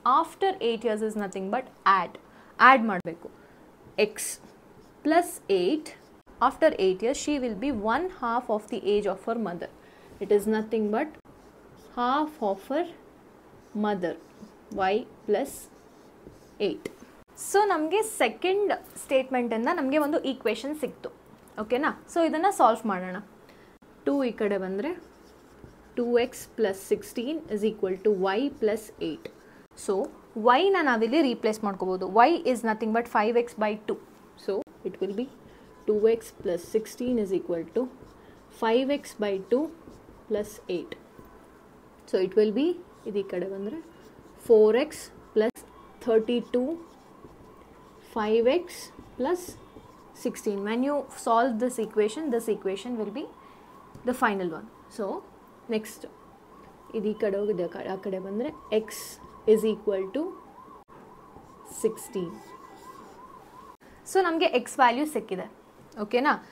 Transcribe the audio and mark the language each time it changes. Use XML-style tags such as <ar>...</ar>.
<en>After 8 years is nothing but add.</en> <kn>Add maadbeku.</kn> <en>X plus 8. After 8 years, she will be 1/2 of the age of her mother. It is nothing but half of her mother. Y plus 8.</en> <kn>So ನಮಗೆ second ಸ್ಟೇಟ್ಮೆಂಟಿಂದ ನಮಗೆ ಒಂದು equation ಸಿಕ್ತು. ಓಕೆನಾ? So ಇದನ್ನು solve ಮಾಡೋಣ.</kn> <en>2</en> <kn>ಈ ಕಡೆ ಬಂದರೆ</kn> <en>2x plus 16 is equal to y plus 8.</en> <kn>So ವೈನ ನಾವಿಲ್ಲಿ ರೀಪ್ಲೇಸ್ ಮಾಡ್ಕೋಬೋದು.</kn> <en>Y is nothing but 5x by 2. So it will be 2x plus 16 is equal to 5x by 2 plus 8. So it will be</en> <kn>ಇದು ಈ ಕಡೆ ಬಂದರೆ</kn> <en>4x plus 32 5x plus 16. When you solve this equation will be the final one. So, next.</en> <kn>Idi kade hogide akade akade bandre</kn> <en>x is equal to 16.</en> <kn>So, namge x value sikkide. Okay na?</kn>